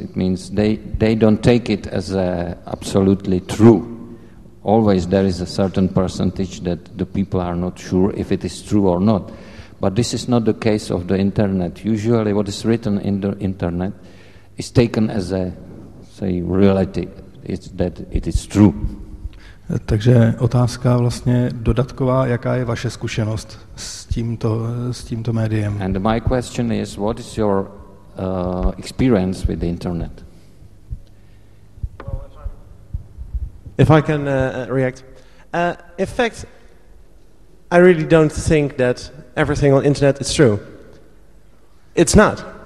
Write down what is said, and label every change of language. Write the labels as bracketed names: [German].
[English] It means they don't take it as absolutely true. Always there is a certain percentage that the people are not sure if it is true or not. But this is not the case of the internet. Usually what is written in the internet is taken as a, say, reality. It's that it is true. [Czech] Takže otázka vlastně dodatková, jaká je vaše zkušenost s tímto médiem? [English] And my question is, what is your experience with the internet? If I can react. In fact, I really don't think that everything on the internet is true. It's not.